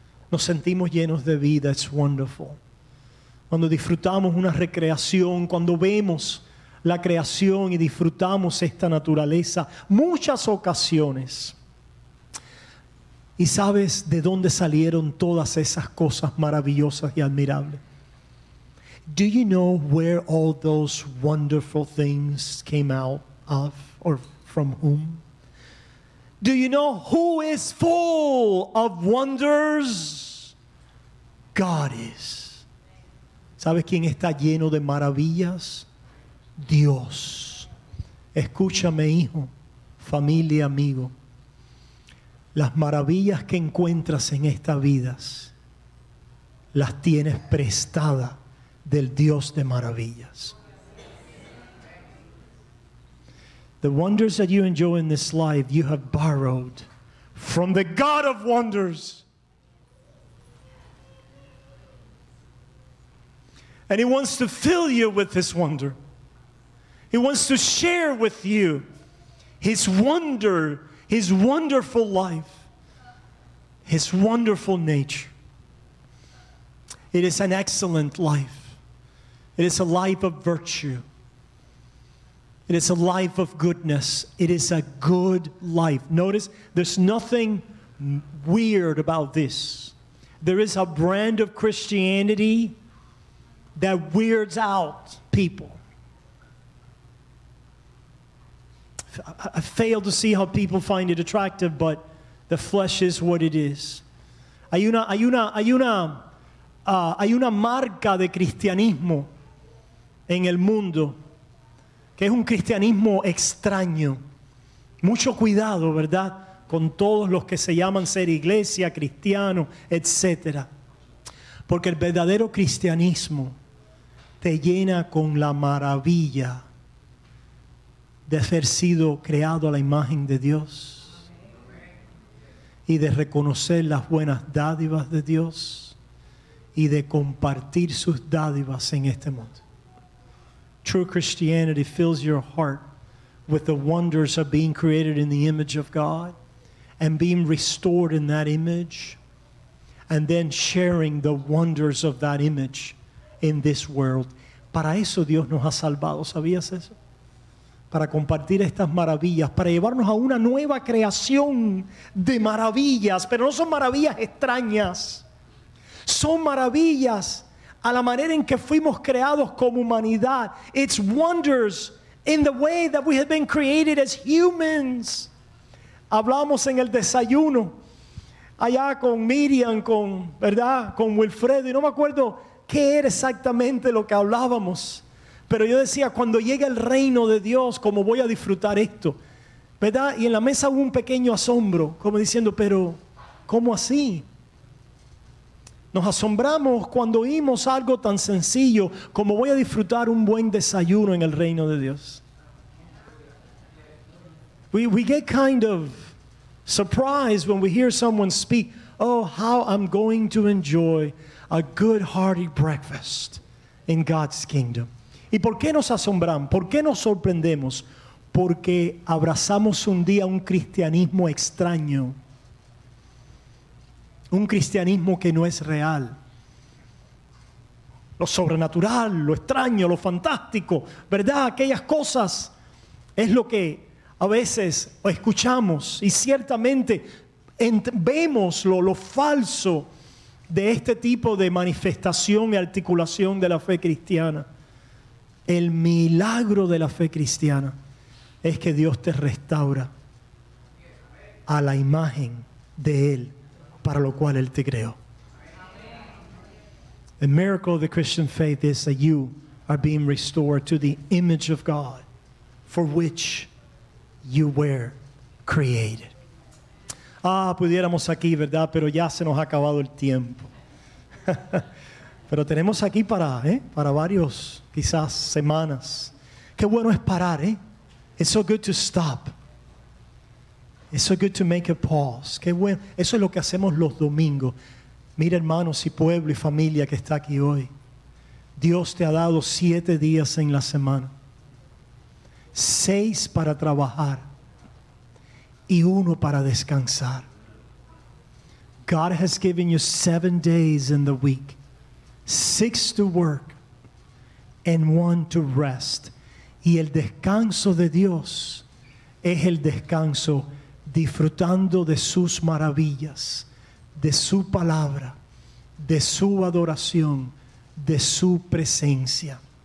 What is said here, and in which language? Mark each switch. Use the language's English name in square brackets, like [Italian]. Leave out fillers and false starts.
[Spanish] Nos sentimos llenos de vida. [English] It's wonderful. [Spanish] Cuando disfrutamos una recreación, cuando vemos la creación y disfrutamos esta naturaleza, muchas ocasiones. ¿Y sabes de dónde salieron todas esas cosas maravillosas y admirables? [English] Do you know where all those wonderful things came out of or from whom? Do you know who is full of wonders? God is. [Spanish] ¿Sabes quién está lleno de maravillas? Dios. Escúchame, hijo, familia, amigo. Las maravillas que encuentras en esta vida las tienes prestada del Dios de maravillas. [English] The wonders that you enjoy in this life, you have borrowed from the God of wonders. And he wants to fill you with his wonder. He wants to share with you his wonder, his wonderful life, his wonderful nature. It is an excellent life. It is a life of virtue. It is a life of goodness. It is a good life. Notice, there's nothing weird about this. There is a brand of Christianity that weirds out people. I fail to see how people find it attractive, but the flesh is what it is. [Spanish] Hay una marca de cristianismo en el mundo. Que es un cristianismo extraño. Mucho cuidado, ¿verdad? Con todos los que se llaman ser iglesia, cristiano, etc. Porque el verdadero cristianismo te llena con la maravilla de haber sido creado a la imagen de Dios y de reconocer las buenas dádivas de Dios y de compartir sus dádivas en este mundo. [English] True Christianity fills your heart with the wonders of being created in the image of God and being restored in that image and then sharing the wonders of that image in this world. [Spanish] Para eso Dios nos ha salvado, ¿sabías eso? Para compartir estas maravillas, para llevarnos a una nueva creación de maravillas, pero no son maravillas extrañas. Son maravillas a la manera en que fuimos creados como humanidad. [English] It's wonders in the way that we have been created as humans. [Spanish] Hablamos en el desayuno allá con Miriam, con, ¿verdad?, con Wilfredo, y no me acuerdo qué era exactamente lo que hablábamos. Pero yo decía, cuando llegue el reino de Dios, ¿cómo voy a disfrutar esto? ¿Verdad? Y en la mesa hubo un pequeño asombro, como diciendo, pero ¿cómo así? Nos asombramos cuando oímos algo tan sencillo, como voy a disfrutar un buen desayuno en el reino de Dios. [English] We get kind of surprised when we hear someone speak, oh, how I'm going to enjoy a good hearty breakfast in God's kingdom. [Spanish] ¿Y por qué nos asombramos? ¿Por qué nos sorprendemos? Porque abrazamos un día un cristianismo extraño. Un cristianismo que no es real. Lo sobrenatural, lo extraño, lo fantástico, ¿verdad? Aquellas cosas es lo que a veces escuchamos y ciertamente vemos lo falso de este tipo de manifestación y articulación de la fe cristiana. El milagro de la fe cristiana es que Dios te restaura a la imagen de Él para lo cual Él te creó. [English] The miracle of the Christian faith is that you are being restored to the image of God for which you were created. [Spanish] Ah, pudiéramos aquí, ¿verdad? Pero ya se nos ha acabado el tiempo. Pero tenemos aquí para varios, quizás, semanas. Qué bueno es parar, ¿eh? [English] It's so good to stop. It's so good to make a pause. [Spanish] Qué bueno. Eso es lo que hacemos los domingos. Mira, hermanos y pueblo y familia que está aquí hoy. Dios te ha dado 7 días en la semana. 6 para trabajar. Y 1 para descansar. [English] God has given you 7 days in the week. 6 to work and 1 to rest. [Spanish] Y el descanso de Dios es el descanso disfrutando de sus maravillas, de su palabra, de su adoración, de su presencia.